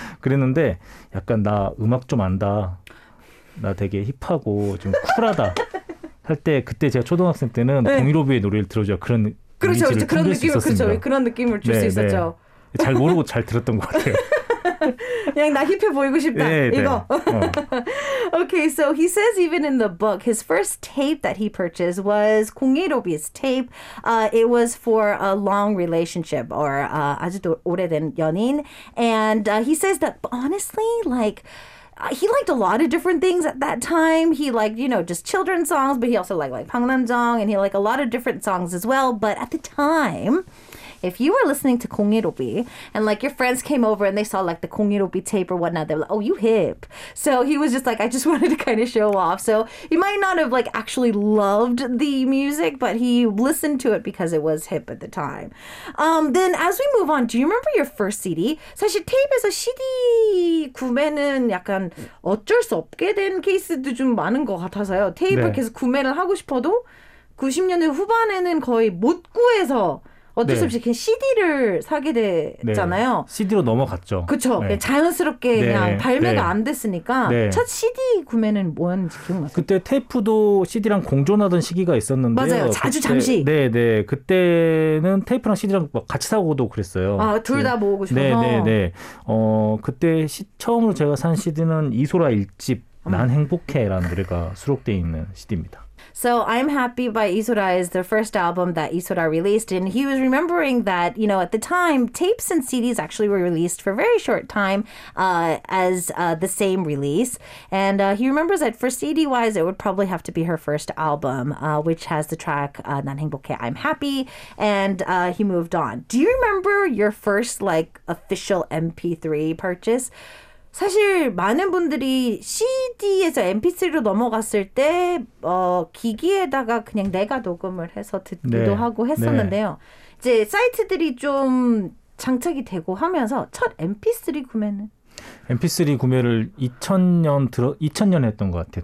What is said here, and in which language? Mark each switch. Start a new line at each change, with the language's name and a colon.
Korean: 그랬는데 약간 나 음악 좀 안다. 나 되게 힙하고 좀 쿨하다 할 때 그때 제가 초등학생 때는 015B의 노래를 들어줘 그런 그렇죠, 이미지를 풍길 그런 수 있었습니다. 그렇죠, 그런 느낌을 줄 수 네, 있었죠. 네. 잘 모르고 잘 들었던 것 같아요. 그냥 나 힙해 보이고 싶다 네, 이거. 네.
English: Okay, so he says even in the book, his first tape that he purchased was 015B's tape. It was for a long relationship or 아주 오래된 연인. And he says that honestly, like, he liked a lot of different things at that time. He liked, you know, just children's songs, but he also liked like Park Nam-jung, and he liked a lot of different songs as well. But at the time, if you were listening to 015B and like your friends came over and they saw like the 015B tape or whatnot, they were like, oh, you hip. So he was just like, I just wanted to kind of show off. So he might not have like actually loved the music, but he listened to it because it was hip at the time. Then as we move on, do you remember your first CD?
Korean: 사실 테이프에서 CD 구매는 약간 어쩔 수 없게 된 케이스도 좀 많은 것 같아서요. 테이프 네. 계속 구매를 하고 싶어도 90년대 후반에는 거의 못 구해서 어쩔 수 없이 그냥 CD를 사게 됐잖아요. 네. CD로 넘어갔죠. 그렇죠. 네. 자연스럽게 네. 그냥 발매가 네. 안 됐으니까 네. 첫 CD 구매는 뭐였는지 기억나세요? 그때 테이프도 CD랑 공존하던 시기가 있었는데요. 맞아요. 자주 잠시. 네네. 네. 그때는 테이프랑 CD랑 막 같이 사고도 그랬어요. 아, 둘 다 모으고 싶어서. 네네네. 네. 그때 처음으로 제가 산 CD는 이소라 1집 난 행복해라는 노래가 수록되어 있는 CD입니다.
English: So I'm Happy by Isora is the first album that Isora released. And he was remembering that, you know, at the time, tapes and CDs actually were released for a very short time as the same release. And he remembers that for CD-wise, it would probably have to be her first album, which has the track 난 행복해, I'm Happy. And he moved on. Do you remember your first, like, official MP3 purchase?
Korean: 사실 많은 분들이 CD에서 MP3로 넘어갔을 때 기기에다가 그냥 내가 녹음을 해서 듣기도 네. 하고 했었는데요. 네. 이제 사이트들이 좀 장착이 되고 하면서 첫 MP3 구매는? MP3 구매를 2000년 했던 것 같아요.